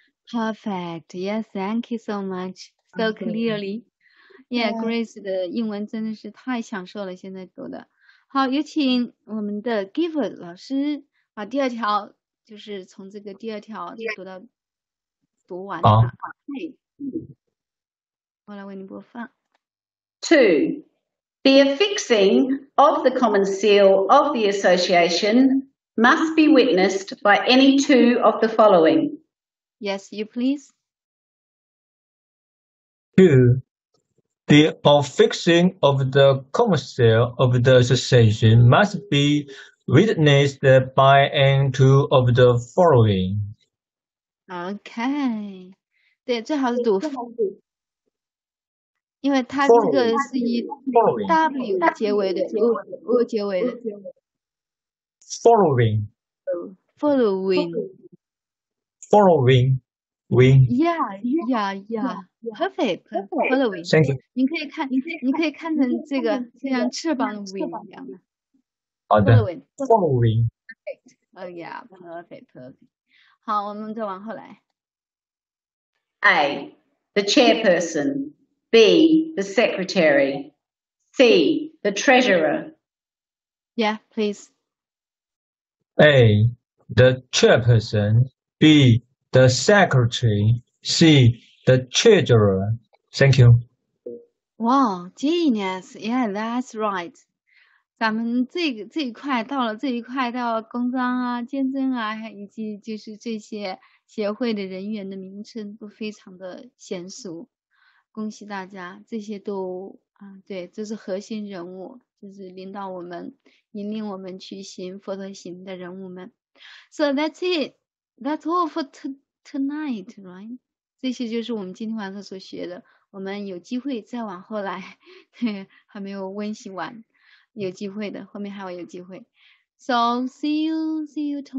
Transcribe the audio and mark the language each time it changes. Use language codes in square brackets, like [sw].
[en] Perfect. Yes. Thank you so much. So clearly. [zh] Yeah, Grace 的英文真的是太享受了，现在读的。好，有请我们的 Giver 老师把第二条，就是从这个第二条读到读完的。好、啊，我来为您播放。 [en] Two, the affixing of the common seal of the association must be witnessed by any two of the following. Yes, you please. Two. The affixing of the common seal of the association must be witnessed by any two of the following. [zh] Okay. 对，最好是读。因为它这个是以 W 结尾的 ，U 结尾的。 [en] Following. Following. Following. Yeah, perfect, following. Thank you. [zh] 你可以看成这个像翅膀的 wing 一样的。好的。 [en] Following. Perfect. Oh yeah, perfect, perfect. [zh] 好，我们再往后来。 [en] A, the chairperson. B, the secretary. C, the treasurer. Yeah, please. A, the chairperson. B. The secretary, C, the treasurer. Thank you. Wow, genius. Yeah, that's right. [zh] 咱们这一块到了这一块到公章啊、监证啊，以及就是这些协会的人员的名称都非常的娴熟。恭喜大家，这些都啊，对，这是核心人物，就是领导我们、引领我们去行佛陀行的人物们。 [en] So that's it. That's all for tonight, right? [zh] 这些就是我们今天晚上所学的。我们有机会再往后来，还没有温习完，有机会的，后面还会有机会。 [en] So, see you tomorrow.